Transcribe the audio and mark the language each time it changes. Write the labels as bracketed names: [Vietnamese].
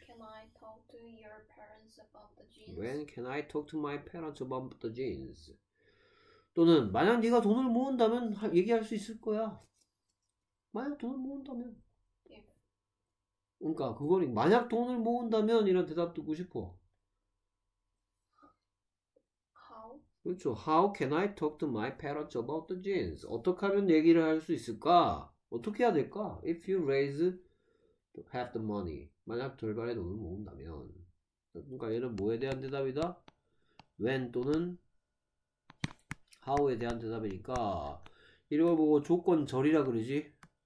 [English] Can I talk to your parents about the jeans? When can I talk to my parents about the jeans? [Korean] 또는 만약 네가 돈을 모은다면 얘기할 수 있을 거야. 만약 돈을 모은다면. [English] Yeah. [Korean] 그러니까 그걸 만약 돈을 모은다면 이런 대답 듣고 싶어. [English] How? [Korean] 그렇죠. [English] How can I talk to my parents about the jeans? [Korean] 어떻게 하면 얘기를 할 수 있을까? 어떻게 해야 될까? [English] If you raise have the money. [Korean] 만약 돌발에 돈을 모은다면. 그러니까 얘는 뭐에 대한 대답이다? When 또는 How에 대한 대답이니까 이걸 보고 조건절이라 그러지?